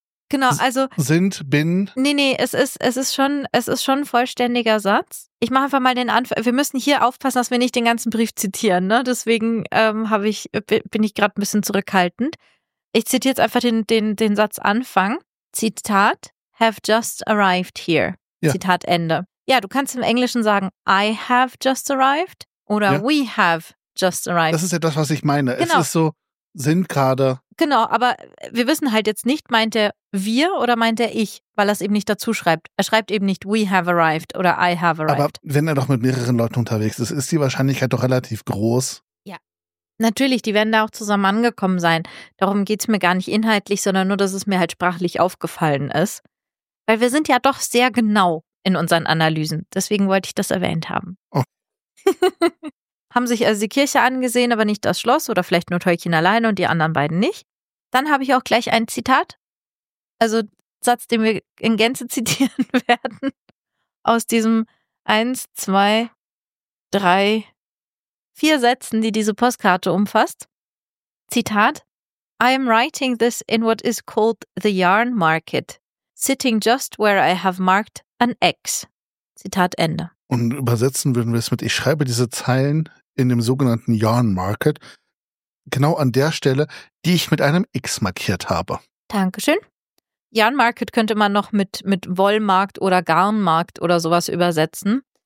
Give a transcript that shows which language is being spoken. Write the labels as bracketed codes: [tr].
[de] Genau, also. Nee, es ist schon ein vollständiger Satz. Ich mache einfach mal den Anfang. Wir müssen hier aufpassen, dass wir nicht den ganzen Brief zitieren, ne? Deswegen bin ich gerade ein bisschen zurückhaltend. Ich zitiere jetzt einfach den Satz Anfang. Zitat, [en] have just arrived here. [de] Ja. Zitat Ende. Ja, du kannst im Englischen sagen, [en] I have just arrived [de] oder ja. [en] We have just arrived. [de] Das ist ja das, was ich meine. Genau. Es ist so, sind gerade. Genau, aber wir wissen halt jetzt nicht, meint er wir oder meint er ich, weil er es eben nicht dazu schreibt. Er schreibt eben nicht, [en] we have arrived [de] oder [en] I have arrived. [de] Aber wenn er doch mit mehreren Leuten unterwegs ist, ist die Wahrscheinlichkeit doch relativ groß. Ja, Natürlich, die werden da auch zusammen angekommen sein. Darum geht es mir gar nicht inhaltlich, sondern nur, dass es mir halt sprachlich aufgefallen ist. Weil wir sind ja doch sehr genau in unseren Analysen. Deswegen wollte ich das erwähnt haben. Oh. Haben sich also die Kirche angesehen, aber nicht das Schloss oder vielleicht nur Tolkien alleine und die anderen beiden nicht. Dann habe ich auch gleich ein Zitat, also Satz, den wir in Gänze zitieren werden, aus diesem 1, 2, 3, 4 Sätzen, die diese Postkarte umfasst. [en] Zitat: I am writing this in what is called the yarn market, sitting just where I have marked an X. [de] Zitat Ende. Und übersetzen würden wir es mit: Ich schreibe diese Zeilen in dem sogenannten Yarn Market, genau an der Stelle, die ich mit einem X markiert habe. Dankeschön. Yarn Market könnte man noch mit Wollmarkt oder Garnmarkt oder sowas übersetzen.